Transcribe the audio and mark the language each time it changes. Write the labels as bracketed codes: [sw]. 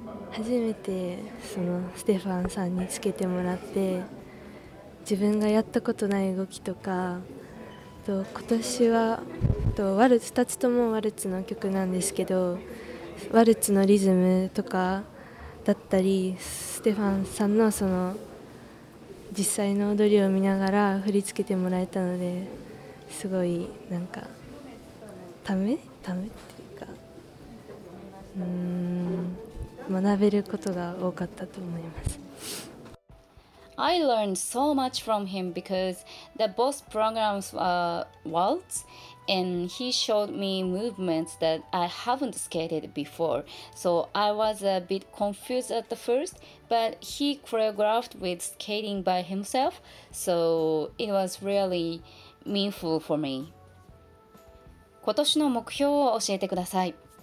[ja] 初めてそのステファンさんにつけてもらって、自分がやったことない動きとか、今年はワルツ、2つともワルツの曲なんですけど、ワルツのリズムとかだったり、ステファンさん の, その実際の踊りを見ながら振り付けてもらえたので、すごいなんかためっていうか、学べることが多かったと思います。 [en] I learned so much from him because the both programs were waltz. And he showed me movements that I haven't skated before. So I was a bit confused at the first, but he choreographed with skating by himself. So it was really meaningful for me. [ja] 今年の目標を教えてください。